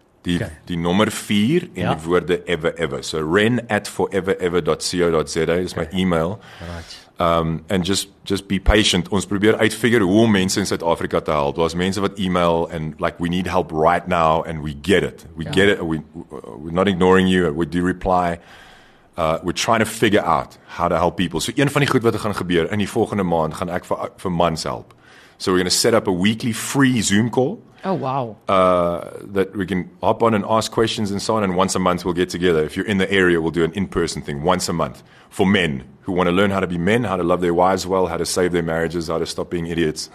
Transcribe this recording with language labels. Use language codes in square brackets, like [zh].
[af] Die nummer 4 en die woorde ever, ever. So ren@forever-ever.co.za is my e-mail. [en] Right. And just be patient. [af] Ons probeer uitfigure hoe om mense in Suid-Afrika te help. Daar's mense wat email [en] and like, we need help right now and we get it. We're not ignoring you. We do reply. We're trying to figure out how to help people. [af] So een van die goed wat gaan gebeur in die volgende maand, gaan ek vir mans help. [en] So we're going to set up a weekly free Zoom call. Oh, wow. That we can hop on and ask questions and so on. And once a month, we'll get together. If you're in the area, we'll do an in-person thing once a month for men who want to learn how to be men, how to love their wives well, how to save their marriages, how to stop being idiots.